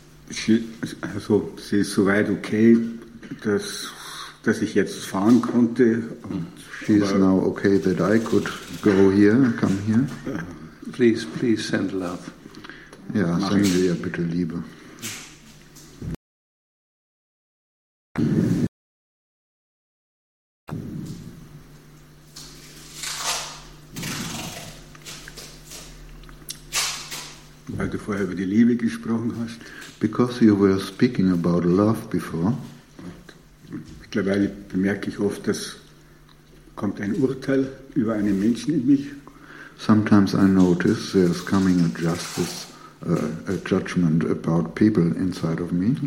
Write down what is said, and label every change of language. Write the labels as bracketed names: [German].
[German] Sie ist soweit okay, dass ich jetzt fahren konnte. [English] She is now okay that I could go here, come here. Please send love. [German] Ja, senden Sie ja bitte Liebe. Weil du vorher über die Liebe gesprochen hast. [English] Because you were speaking about love before. [German] Mittlerweile bemerke ich oft, dass kommt ein Urteil über einen Menschen in mich. [English] Sometimes I notice there's coming a justice, a judgment about people inside of me.